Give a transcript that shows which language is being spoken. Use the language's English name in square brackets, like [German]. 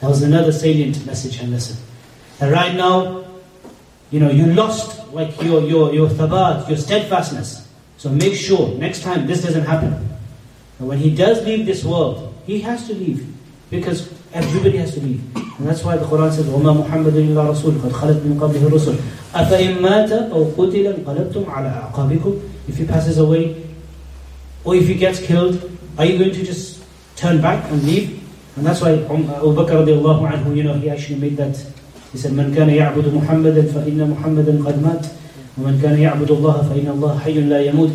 [English] That was another salient message and lesson. That right now, you know, you lost like your thabat, your steadfastness. So make sure next time this doesn't happen. And when he does leave this world, he has to leave. Because everybody has to leave. And that's why the Quran says, [Arabic] وَمَا مُحَمَّدٌ إِلَّا رَسُولٌ قَدْ خَلَتْ مِنْ قَبْلِهِ الرُّسُلُ أَفَإِن مَاتَ أَوْ قُتِلَ انْقَلَبْتُمْ عَلَىٰ أَعْقَابِكُمْ. [English] If he passes away, or if he gets killed, are you going to just turn back and leave? And that's why Abu Bakr radiallahu anhu, you know, he actually made that. He said, [Arabic] مَنْ كَانَ يَعْبُدُ مُحَمَّدًا فَإِنَّ مُحَمَّدًا قَدْ مَاتْ وَمَنْ كَانَ يَعْبُدُ اللَّهَ فَإِنَّ اللَّهَ حَيٌّ لَا يَمُوتُ.